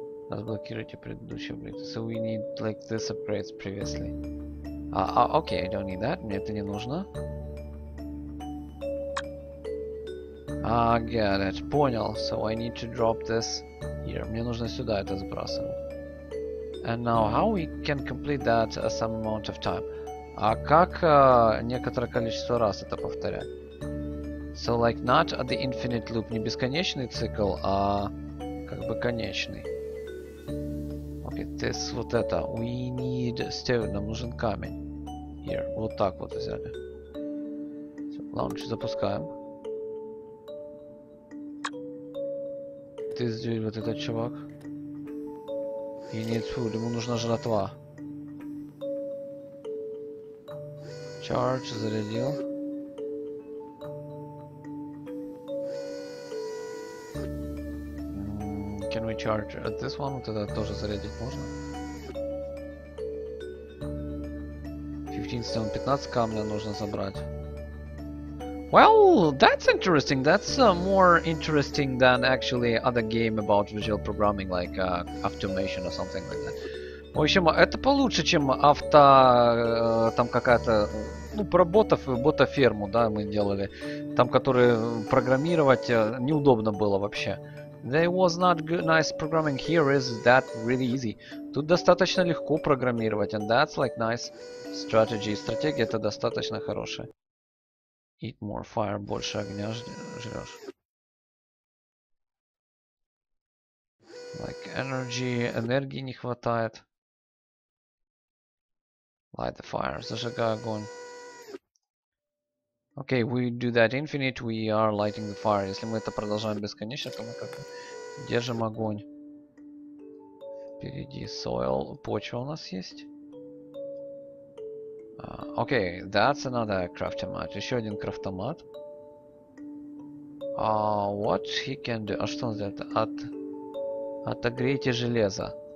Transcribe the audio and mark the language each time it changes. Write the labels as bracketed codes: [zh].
[ru] Разблокируйте предыдущий объект. [en] So we need like this upgrades previously. [ru] Окей, [en] don't need that. [ru] Мне это не нужно. [en] Get it. [ru] Понял. [en] So I need to drop this here. [ru] Мне нужно сюда это сбрасывать. [en] And now, how we can complete that some amount of time? [ru] А как некоторое количество раз это повторять? [en] So, like, not the infinite loop. [ru] Не бесконечный цикл, а как бы конечный. [en] Okay, this, [ru] вот это. [en] We need stone. [ru] Нам нужен камень. [en] Here. [ru] Вот так вот взяли. [en] So, launch, [ru] запускаем. [en] This dude, [ru] вот этот чувак. [en] He needs food. [ru] Ему нужна жратва. [en] Charge, [ru] зарядил. [en] Can we charge at this one? [ru] Вот это тоже зарядить можно. [en] 15 stone, [ru] 15 камня нужно забрать. [en] Well, that's interesting. That's more interesting than actually other game about visual programming, like automation or something like that. [ru] В общем, это получше, чем авто... там какая-то... Ну, про ботов, ботоферму, да, мы делали. Там, которые программировать неудобно было вообще. [en] There was not good, nice programming. Here is that really easy. [ru] Тут достаточно легко программировать. [en] And that's like nice strategy. [ru] Стратегия это достаточно хорошая. [en] Eat more fire, [ru] больше огня жрёшь. [en] Like energy, [ru] энергии не хватает. [en] Light the fire, [ru] зажигай огонь. [en] Okay, we do that infinite, we are lighting the fire. [ru] Если мы это продолжаем бесконечно, то мы как бы держим огонь. Впереди soil, почва у нас есть. Окей, [en] that's another [ru] крафтомат. Еще один крафтомат. [en] What he can do? [ru] А что он сделает? Отогрейте железо.